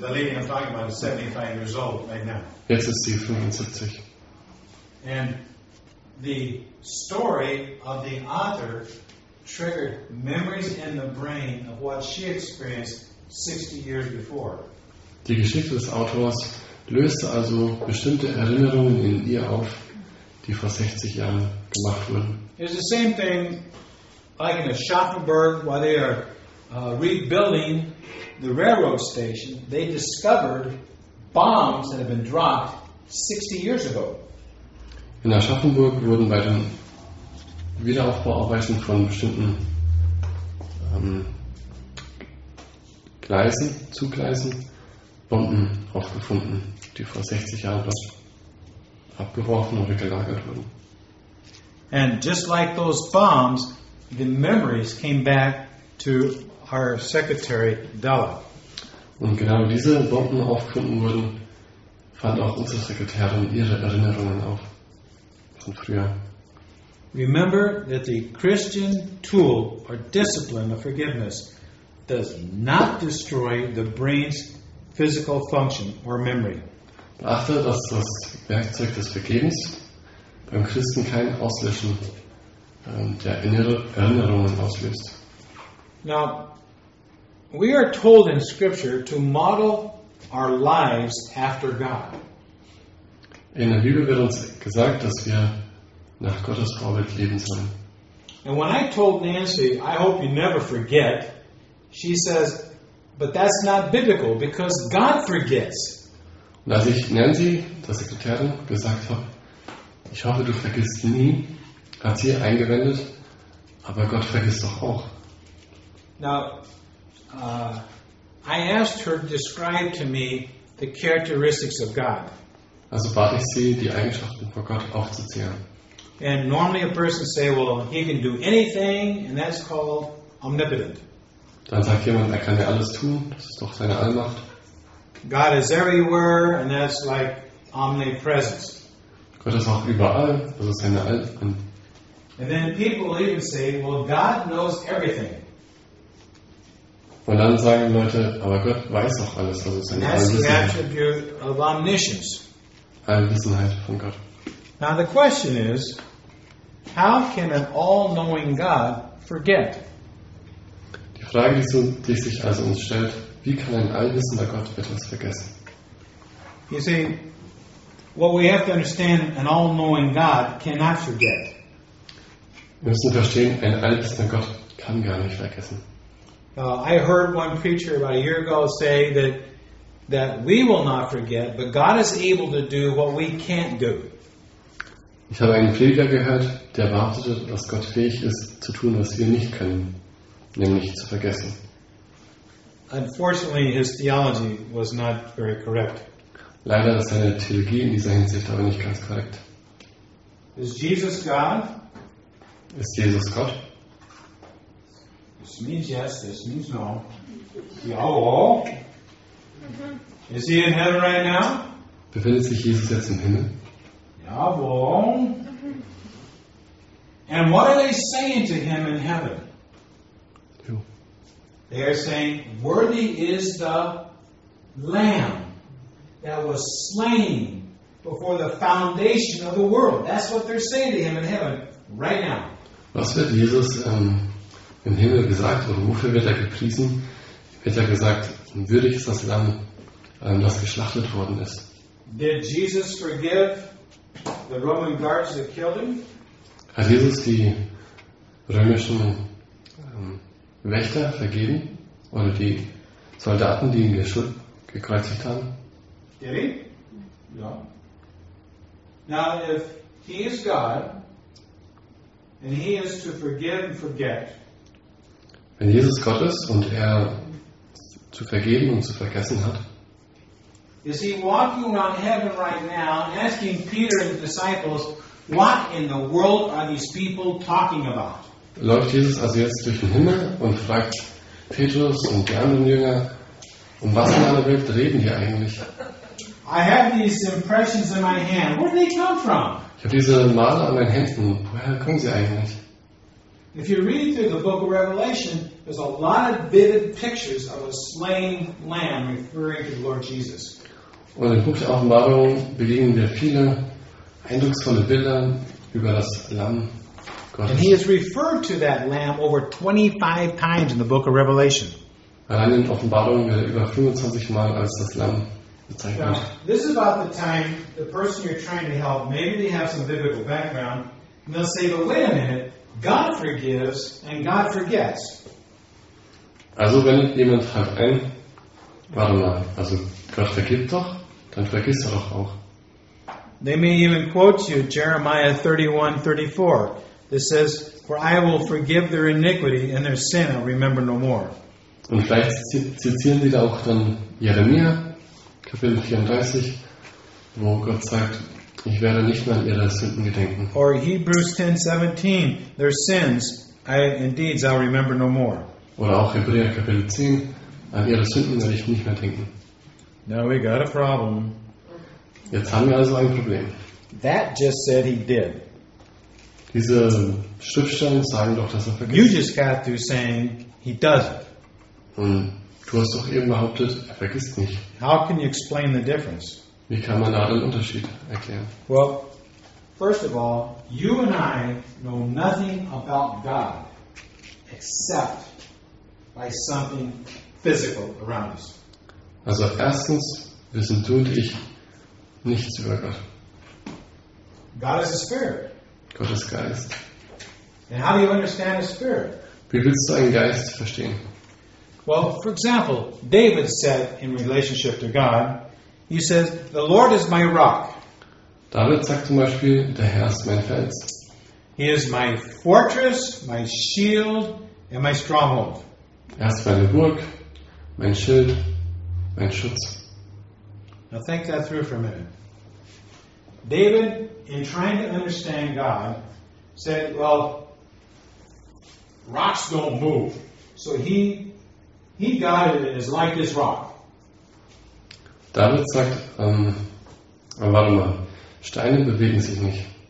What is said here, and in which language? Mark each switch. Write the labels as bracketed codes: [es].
[en] The lady I'm talking about is 75 years old right now. [de] Jetzt ist sie 75. [en] And the story of the author triggered memories in the brain of what she experienced 60 years before. [de] Die Geschichte des Autors löste also bestimmte Erinnerungen in ihr auf, die vor 60 Jahren gemacht wurden. [en] It's the same thing like in Aschaffenburg, while they are rebuilding the railroad station, they discovered bombs that had been dropped 60 years ago. [de] In Aschaffenburg wurden bei den Wiederaufbauarbeiten von bestimmten Gleisen, Zuggleisen, Bomben aufgefunden, die vor 60 Jahren dort abgeworfen oder gelagert wurden. [en] And just like those bombs, the memories came back to our secretary Della. [de] Und genau diese Bomben aufgefunden wurden, fand auch unsere Sekretärin ihre Erinnerungen auf von früher. [en] Remember that the Christian tool or discipline of forgiveness does not destroy the brain's physical function or memory. [de] Beachte, dass das Werkzeug des Vergebens beim Christen kein Auslöschen der Erinnerungen auslöst. [en] Now, we are told in Scripture to model our lives after God. [de] In der Bibel wird uns gesagt, dass wir nach Gottes Vorbild leben sollen. [en] And when I told Nancy, I hope you never forget, she says, but that's not biblical because God forgets. [de] Und als ich Nancy, der Sekretärin, gesagt habe, ich hoffe, du vergisst nie, hat sie eingewendet, aber Gott vergisst doch auch. [en] Now, I asked her to describe to me the characteristics of God. [de] Also bat ich sie, die Eigenschaften von Gott aufzuzählen. [en] And normally a person say, well, he can do anything, and that's called omnipotent. [de] Dann sagt jemand, er kann ja alles tun, das ist doch seine Allmacht. [en] God is everywhere, and that's like omnipresence. [de] Gott ist auch überall, das ist seine Allmacht. [en] And then people even say, well, God knows everything. [de] Und dann sagen Leute, aber Gott weiß doch alles, also seine Allwissenheit. [en] That's the attribute of omniscience. [de] Allwissenheit von Gott. [en] Now the question is, how can an all-knowing God forget? [de] Frage, die sich also uns stellt, wie kann ein allwissender Gott etwas vergessen? [en] You see, what we have to understand, an all-knowing God cannot forget. [de] Wir müssen verstehen, ein allwissender Gott kann gar nicht vergessen. [en] I heard one preacher about a year ago say that we will not forget, but God is able to do what we can't do. [de] Ich habe einen Prediger gehört, der behauptete, dass Gott fähig ist, zu tun, was wir nicht können, nämlich zu vergessen. [en] Unfortunately, his theology was not very correct. [de] Leider ist seine Theologie in dieser Hinsicht aber nicht ganz korrekt. [en] Is Jesus God? [de] Ist Jesus Gott? [en] This means yes, this means no. [de] Jawohl. [en] Is he in heaven right now? [de] Befindet sich Jesus jetzt im Himmel? Jawohl. [en] And what are they saying to him in heaven? Who? They are saying, worthy is the Lamb that was slain before the foundation of the world. That's what they're saying to him in heaven right now. [de] Was wird Jesus im Himmel gesagt, oder wofür wird er gepriesen? Wird er gesagt, würdig ist das Lamm, das geschlachtet worden ist? [en] Did Jesus forgive the Roman guards that killed him? [de] Hat Jesus die römischen Wächter vergeben? Oder die Soldaten, die ihn gekreuzigt haben? [en] Did he? [de] Ja. [en] Now, if he is God, and he is to forgive and forget, [de] wenn Jesus Gott ist und er zu vergeben und zu vergessen hat, [en] is he walking around heaven right now asking Peter and the disciples, what in the world are these people talking about? [de] Läuft Jesus also jetzt durch den Himmel und fragt Petrus und die anderen Jünger, um was in aller Welt reden die eigentlich? [en] I have these impressions in my hand. Where do they come from? [de] Ich habe diese Male an meinen Händen. Woher kommen sie eigentlich? [en] If you read through the book of Revelation, there's a lot of vivid pictures of a slain lamb referring to the Lord Jesus. [de] Und im Buch der Offenbarung begegnen wir viele eindrucksvolle Bilder über das Lamm Gottes. [en] And he is referred to that lamb over 25 times in the book of Revelation. [de] Allein in Offenbarung wird er über 25 Mal als das Lamm bezeichnet. [en] Now, this is about the time the person you're trying to help, maybe they have some biblical background, and they'll say, but wait a minute, God forgives and God forgets. [de] Also wenn jemand fragt ein, warte mal, also Gott vergibt doch, dann vergisst er doch auch. [en] They may even quote you Jeremiah 31:34. This says, for I will forgive their iniquity and their sin I'll remember no more. [de] Und vielleicht zitieren sie da auch dann Jeremia, Kapitel 34, wo Gott sagt, ich werde nicht mehr an ihre Sünden gedenken. [en] Or Hebrews 10:17, their sins, I'll remember no more. [de] Oder auch Hebräer Kapitel 10, an ihre Sünden werde ich nicht mehr denken. [en] Now we got a problem. [de] Jetzt haben wir also ein Problem. [en] That just said he did. [de] Diese Schriftstellen sagen doch, dass er vergisst. [en] You just got through saying he doesn't. [de] Und du hast doch eben behauptet, er vergisst nicht. [en] How can you explain the difference? [de] Wie kann man da den Unterschied erklären? [en] Well, first of all, you and I know nothing about God except by something physical around us. [de] Also erstens wissen du und ich nichts über Gott. [en] God is a spirit. [de] Gott ist Geist. [en] And how do you understand a spirit? [de] Wie willst du einen Geist verstehen? [en] Well, for example, David said in relationship to God, he says, the Lord is my rock. [de] David sagt zum Beispiel, der Herr ist mein Fels. [en] He is my fortress, my shield, and my stronghold. [de] Er ist meine Burg, mein Schild, mein Schutz. [en] Now think that through for a minute. David, in trying to understand God, said, well, rocks don't move. So he got it as like this rock. [de] David sagt, warte mal, Steine bewegen sich nicht.